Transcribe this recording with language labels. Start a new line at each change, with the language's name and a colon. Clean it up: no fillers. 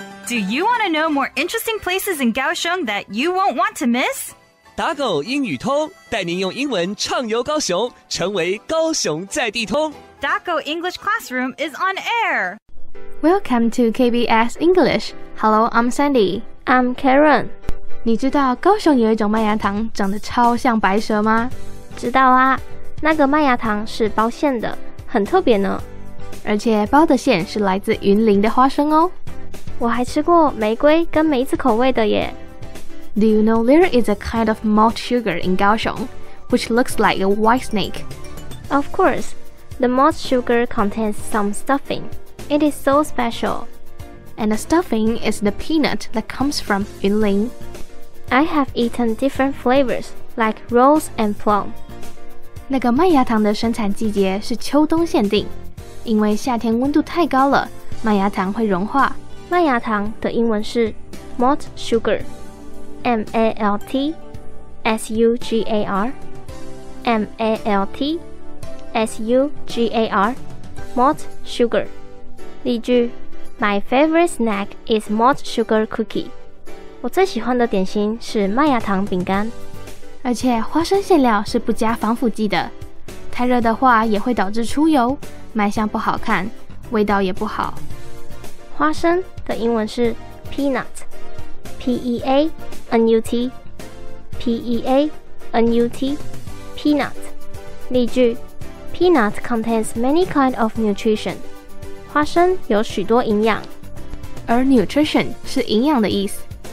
English: Do you want to know more interesting places in Kaohsiung that you won't want to miss?
Chinese: 打狗英语通，带您用英文畅游高雄，成为高雄在地通。
English: 打狗 English Classroom is on air. Welcome to KBS English. Hello, I'm Sandy. I'm Karen.
Chinese: 你知道高雄有一种麦芽糖长得超像白蛇吗？知道啊，那个麦芽糖是包馅的，很特别呢。而且包的馅是来自云林的花生哦。我还吃过玫瑰跟梅子口味的耶。
English: Do you know there is a kind of malt sugar in Kaohsiung, which looks like a white snake? Of course, the malt sugar contains some stuffing. It is so special. And the stuffing is the peanut that comes from Yunlin. I have eaten different flavors, like rose and plum.
Chinese: 那个麦芽糖的生产季节是秋冬限定，因为夏天温度太高了，麦芽糖会融化。麦芽糖的英文是 malt sugar, M-A-L-T, S-U-G-A-R, M-A-L-T, S-U-G-A-R, malt sugar. 例句
English: My favorite snack is malt sugar cookie.
Chinese: 我最喜欢的点心是麦芽糖饼干。而且花生馅料是不加防腐剂的，太热的话也会导致出油，卖相不好看，味道也不好。花生的英文是 peanut, P-E-A-N-U-T, P-E-A-N-U-T, peanut. 例句
English: Peanut contains many kinds of nutrition.
Chinese: 花生有许多营养。而 nutrition 是营养的意思。